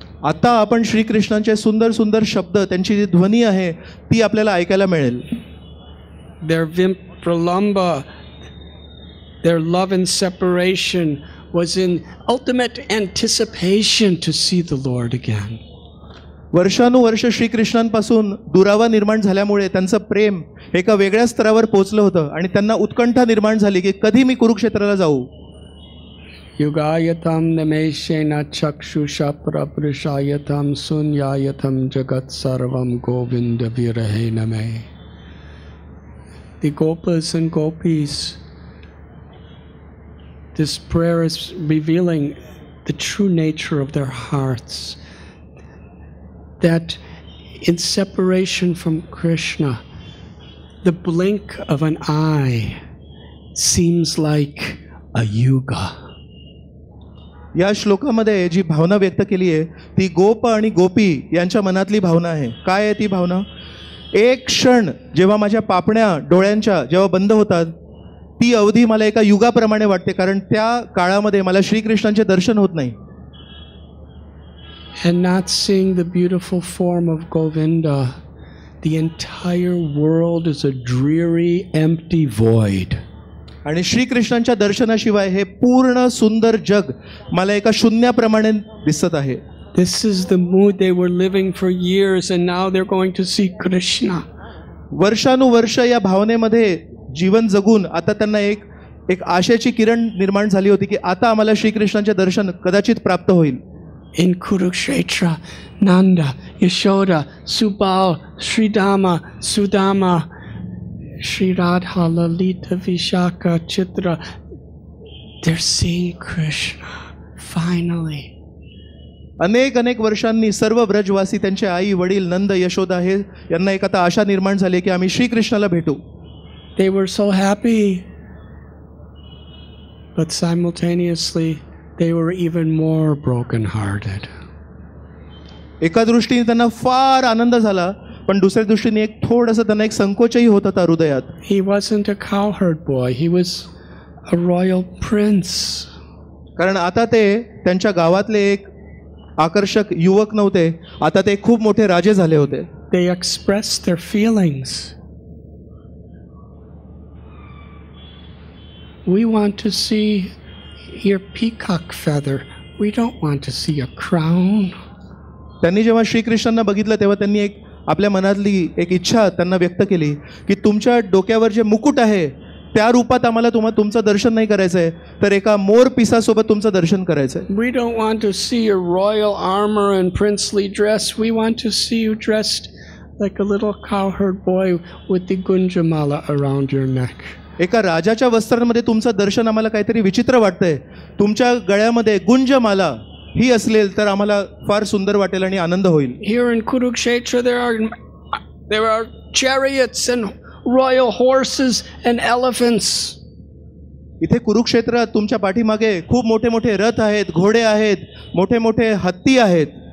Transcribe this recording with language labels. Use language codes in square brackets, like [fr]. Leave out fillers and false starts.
[mr] आता आपण श्रीकृष्णांचे सुंदर सुंदर शब्द, त्यांची जी ध्वनी आहे ती आपल्याला ऐकायला मिळेल. [en] Their vimpralamba, their love and separation was in ultimate anticipation to see the Lord again. [mr] वर्षानुवर्ष श्रीकृष्णांपासून दुरावा निर्माण झाल्यामुळे त्यांचं प्रेम एका वेगळ्या स्तरावर पोहोचलं होतं आणि त्यांना उत्कंठा निर्माण झाली की कधी मी कुरुक्षेत्राला जाऊ. [sa] युगायतम नमेशेन चक्षुषा प्रपृशायतम सुन्यायतम जगत सर्वम गोविंद विरहे नमे. [en] The gopas and gopis, this prayer is revealing the true nature of their hearts, that in separation from Krishna, the blink of an eye seems like a yuga. [mr] या श्लोकामध्ये जी भावना व्यक्त केली आहे ती गोप आणि गोपी यांच्या मनातली भावना आहे. काय आहे ती भावना? एक क्षण जेव्हा माझ्या पापण्या डोळ्यांच्या जेव्हा बंद होतात ती अवधी मला एका युगाप्रमाणे वाटते, कारण त्या काळामध्ये मला श्रीकृष्णांचे दर्शन होत नाही. [en] And not seeing the beautiful form of Govinda, the entire world is a dreary, empty void. [mr] आणि श्रीकृष्णांच्या दर्शनाशिवाय हे पूर्ण सुंदर जग मला एका शून्याप्रमाणे दिसत आहे. [en] This is the mood they were living for years and now they're going to see Krishna. [mr] वर्षानुवर्ष या भावनेमध्ये जीवन जगून आता त्यांना एक आशेची किरण निर्माण झाली होती की आता आम्हाला श्रीकृष्णांचे दर्शन कदाचित प्राप्त होईल. [en] In Kurukshetra, Nanda, Yashoda, Subal, Sridama, Sudama, Sri Radha, Lalita, Vishaka, Chitra, they're seeing Krishna, finally. [mr] अनेक अनेक वर्षांनी सर्व ब्रजवासी त्यांचे आई वडील नंद यशोदा हे यांना एक आता आशा निर्माण झाली की आम्ही श्रीकृष्णाला भेटू. [en] They were so happy, but simultaneously they were even more broken hearted. [mr] एका दृष्टीने त्यांना फार आनंद झाला पण दुसऱ्या दृष्टीने एक थोडासा त्यांना एक संकोचही होत होता हृदयात. [en] He wasn't a cowherd boy, he was a royal prince. [mr] कारण आता ते त्यांच्या गावातले एक आकर्षक युवक नव्हते, आता ते खूप मोठे राजे झाले होते. [en] They expressed their feelings. We want to see your peacock feather. We don't want to see a crown. [mr] त्यांनी जेव्हा श्रीकृष्णांना बघितलं तेव्हा त्यांनी एक आपल्या मनातली एक इच्छा त्यांना व्यक्त केली की तुमच्या डोक्यावर जे मुकुट आहे त्या रूपात आम्हाला तुमचं दर्शन नाही करायचं आहे, तर एका मोर पिसासोबत तुमचं दर्शन करायचं आहे. [en] We don't want to see your royal armor and princely dress. We want to see you dressed like a little cowherd boy with the gunjamala around your neck. [mr] एका राजाच्या वस्त्रांमध्ये तुमचं दर्शन आम्हाला काहीतरी विचित्र वाटतंय, तुमच्या गळ्यामध्ये गुंजमाला ही असेल तर आम्हाला फार सुंदर वाटेल आणि आनंद होईल. [en] Here in Kurukshetra there are chariots and royal horses and elephants. [mr] इथे कुरुक्षेत्रात तुमच्या पाठीमागे खूप मोठे मोठे रथ आहेत, घोडे आहेत, मोठे मोठे हत्ती आहेत.